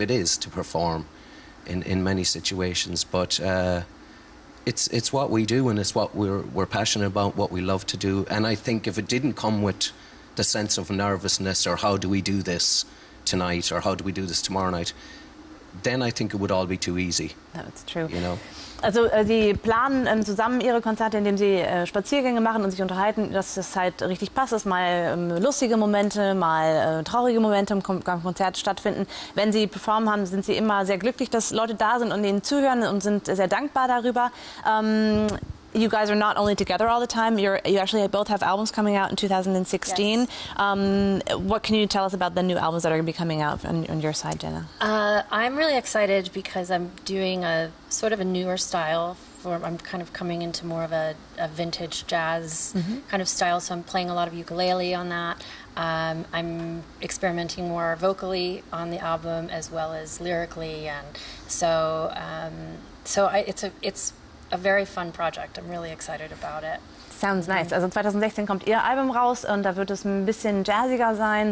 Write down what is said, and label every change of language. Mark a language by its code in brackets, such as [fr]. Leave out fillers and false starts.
[en] It is to perform in many situations, but it's what we do, and it's what we're passionate about, what we love to do. And I think if it didn't come with the sense of nervousness or how do we do this tonight or how do we do this tomorrow night, then I think it would all be too easy. That's true. You know? [de] Also Sie planen zusammen Ihre Konzerte, indem Sie Spaziergänge machen und sich unterhalten, dass das halt richtig passt, dass mal lustige Momente, mal traurige Momente im Konzert stattfinden. Wenn Sie performen haben, sind Sie immer sehr glücklich, dass Leute da sind und Ihnen zuhören und sind sehr dankbar darüber. [en] You guys are not only together all the time, you actually both have albums coming out in 2016. Yes. What can you tell us about the new albums that are going to be coming out on your side, Jenna? I'm really excited because I'm doing a sort of a newer style. I'm kind of coming into more of a vintage jazz kind of style, so I'm playing a lot of ukulele on that. I'm experimenting more vocally on the album as well as lyrically, and so it's a very fun project. I'm really excited about it. Sounds nice. [de] Also 2016 kommt Ihr Album raus und da wird es ein bisschen jazziger sein.